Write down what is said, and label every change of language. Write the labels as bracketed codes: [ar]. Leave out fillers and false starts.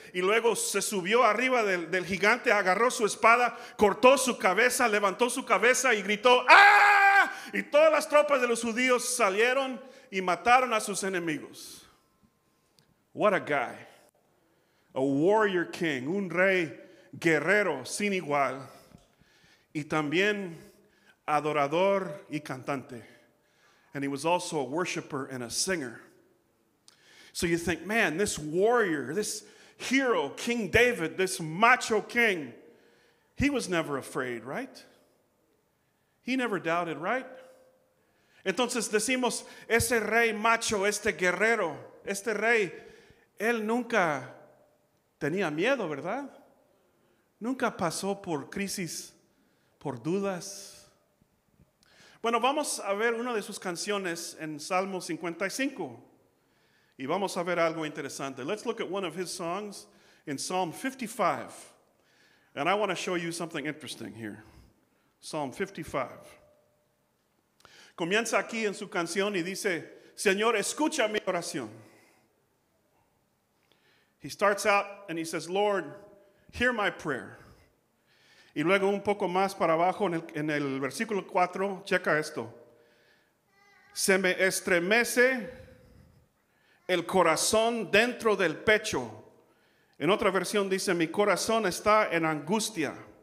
[es] Y luego se subió arriba del gigante, agarró su espada, cortó su cabeza, levantó su cabeza y gritó ¡ah! Y todas las tropas de los judíos salieron y mataron a sus enemigos. [en] What a guy. A warrior king, [es] un rey guerrero sin igual. Y también adorador y cantante. [en] And he was also a worshiper and a singer. So you think, man, this warrior, this hero, King David, this macho king, he was never afraid, right? He never doubted, right? [es] Entonces decimos, ese rey macho, este guerrero, este rey, él nunca tenía miedo, ¿verdad? Nunca pasó por crisis, por dudas. Bueno, vamos a ver una de sus canciones en Salmo 55. Y vamos a ver algo interesante. [en] Let's look at one of his songs in Psalm 55. And I want to show you something interesting here. Psalm 55. [es] Comienza aquí en su canción y dice, Señor, escucha mi oración. [en] He starts out and he says, Lord, hear my prayer. [es] Y luego un poco más para abajo en el versículo 4, checa esto. Se me estremece el corazón dentro del pecho. En otra versión dice, mi corazón está en angustia.